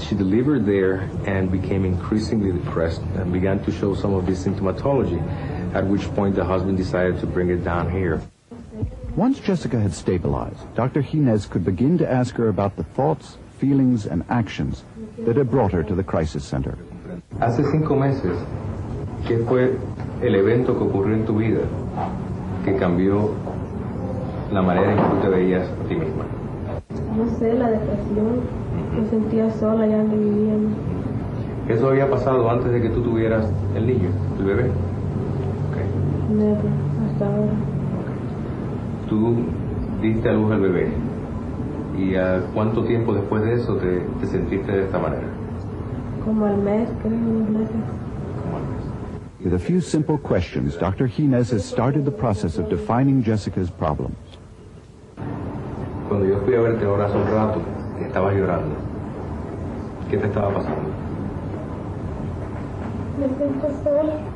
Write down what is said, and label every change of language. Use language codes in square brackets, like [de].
[en] She delivered there and became increasingly depressed and began to show some of this symptomatology, at which point the husband decided to bring it down here. Once Jessica had stabilized, Dr. Jimenez could begin to ask her about the thoughts, feelings, and actions that had brought her to the crisis center. [es] Hace cinco meses, ¿qué fue el evento que ocurrió en tu vida que cambió la manera en que tú te veías a ti misma? No sé, la depresión. Me sentía sola ya donde vivíamos. ¿Eso había pasado antes de que tú tuvieras el niño, el bebé? [en] Okay. Never, [es] hasta ahora. [en] Okay. [es] Tú diste a luz el bebé. ¿Y a cuánto tiempo después de eso te sentiste de esta manera? Como al mes, creo, unos meses. [en] With a few simple questions, Dr. Jimenez has started the process of defining Jessica's problems. [es] Cuando yo fui a verte ahora hace un rato, estabas llorando. ¿Qué te estaba pasando? Me siento sola.